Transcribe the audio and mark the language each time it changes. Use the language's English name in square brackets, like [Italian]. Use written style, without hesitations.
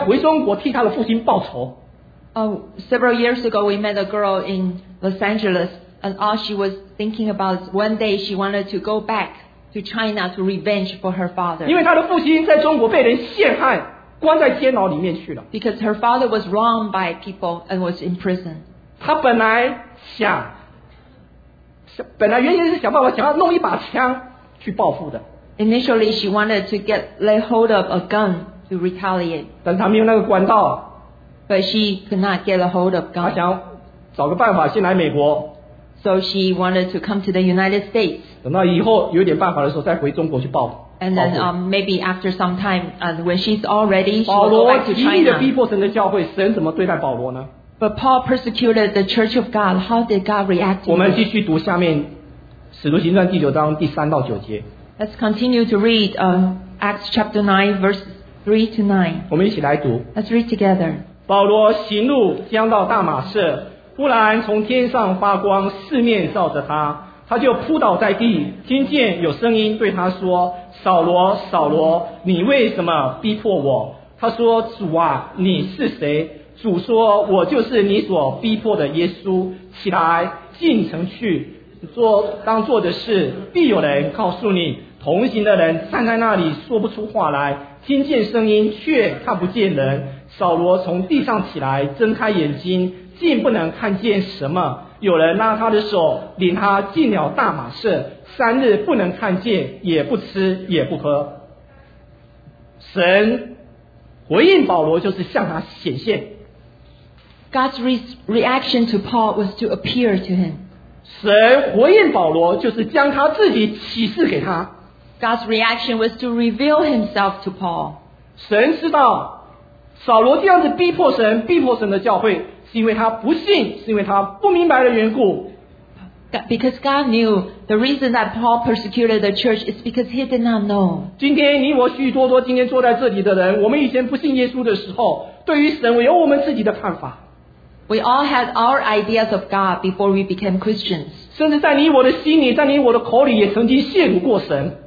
[Chinese] 好几年前，我们在洛杉矶遇到一个女孩子，她为什么要来美国？因为她就想着有一天，她在美国有办法，她要回中国替她的父亲报仇。Several [English] years ago, we met a girl in Los Angeles, and all she was thinking about is one day she wanted to go back to China to revenge for her father. [Chinese] 因为她的父亲在中国被人陷害，关在监牢里面去了。Because [English] her father was wronged by people and was in prison. [Chinese] 她本来想。本来原先是想办法想要弄一把枪去报复的。Initially, [English] she wanted to get lay hold of a gun to retaliate. [Chinese] 但她没有那个管道。But [English] she could not get a hold of gun. [Chinese] 她想找个办法先来美国。So [English] she wanted to come to the United States. [Chinese] 等到以后有点办法的时候再回中国去报复。And [English] then maybe after some time, when she's all ready, she will go back to China. [Chinese] 保罗极力的逼迫神的教会，神怎么对待保罗呢？ [English] But Paul persecuted the church of God. How did God react to it? Let's continue to read Acts chapter 9, verse 3 to 9. [Chinese] 我们一起来读。 [English] Let's read together. [Chinese] 保罗行路将到大马士，忽然从天上发光，四面照着他，他就扑倒在地，听见有声音对他说：“扫罗，扫罗，你为什么逼迫我？”他说：“主啊，你是谁？” 主说：“我就是你所逼迫的耶稣，起来进城去。做当作的事，必有人告诉你。同行的人站在那里说不出话来，听见声音却看不见人。扫罗从地上起来，睁开眼睛，竟不能看见什么。” 有人拉他的手，领他进了大马舍，三日不能看见，也不吃也不喝。神回应保罗就是向他显现。 [English] God's reaction to Paul was to appear to him. [Chinese] 神回应保罗就是将他自己启示给他。 [English] God's reaction was to reveal himself to Paul. [Chinese] 神知道扫罗这样子逼迫神，逼迫神的教会，是因为他不信，是因为他不明白的缘故。 [English] Because God knew the reason that Paul persecuted the church is because he did not know. [Chinese] 今天你我许许多多今天坐在这里的人，我们以前不信耶稣的时候，对于神有我们自己的看法。 [English] We all had our ideas of God before we became Christians. [Chinese] 甚至在你我的心里，在你我的口里，也曾经亵渎过神。